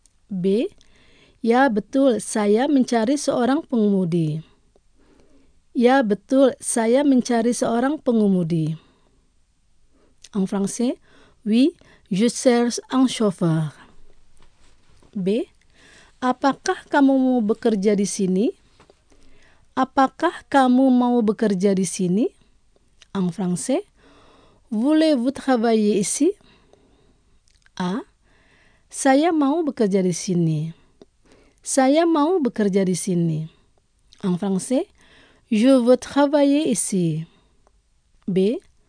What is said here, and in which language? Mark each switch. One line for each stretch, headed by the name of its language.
Indonesian: B. Ya, betul, saya mencari seorang pengemudi. Ya, betul. Saya mencari seorang pengemudi.
French: En français, oui, je cherche un chauffeur. B.
Indonesian: Apakah kamu mau bekerja di sini? Apakah kamu mau bekerja di sini?
French: En français, voulez-vous travailler ici? A.
Indonesian: Saya mau bekerja di sini. Saya mau bekerja di sini.
French: En français, je veux travailler ici. B.